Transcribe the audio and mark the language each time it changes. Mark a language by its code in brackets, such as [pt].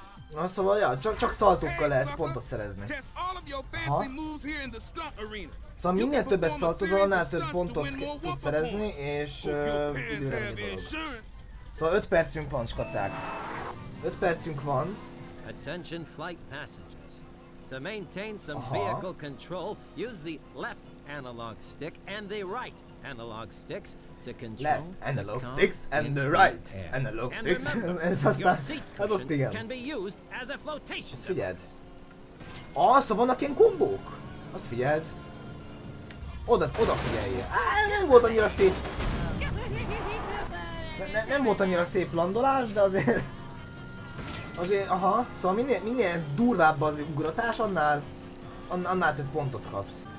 [hu] Na szóval, ja, csak szaltókkal lehet pontot szerezni. Ha. Szóval minél többet szaltozol, annál több pontot tud szerezni, és időre mi a dolog. Szóval 5 percünk van, skacák. 5 percünk van. [en] Attention flight passengers. To maintain some vehicle control, use the left analog stick and the right analog sticks to control. Left analog sticks and the right analog sticks. [hu] Ez aztán, hát azt igen. [en] Can be used as a flotation. [hu] Azt figyeld. Szóval vannak ilyen gombók. Azt figyeld. Oda figyeljél. Nem volt annyira szép. Nem volt annyira szép landolás, de azért. Azért, aha, szóval minél durvább az ugratás, annál több pontot kapsz.